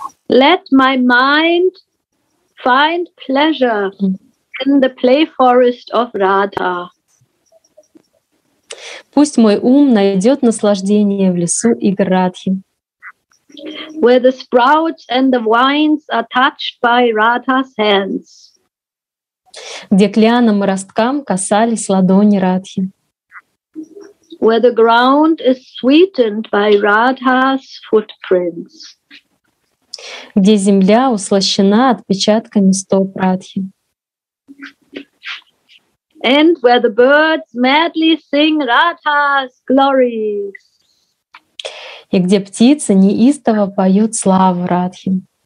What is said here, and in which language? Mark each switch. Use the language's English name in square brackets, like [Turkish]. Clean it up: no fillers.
[English] Let my mind find pleasure in the play forest of Radha. [Russian] Пусть мой ум найдет наслаждение в лесу игр Радхи. [English] Where the sprouts and the vines are touched by Radha's hands. [Russian] Где клянам и росткам касались ладони Радхи. [English] Where the ground is sweetened by Radha's footprints. [Russian] Где земля услащена отпечатками стоп Радхи. [English] And where the birds madly sing Radha's glories. [Russian] И где птицы неистово поют славу Радхи.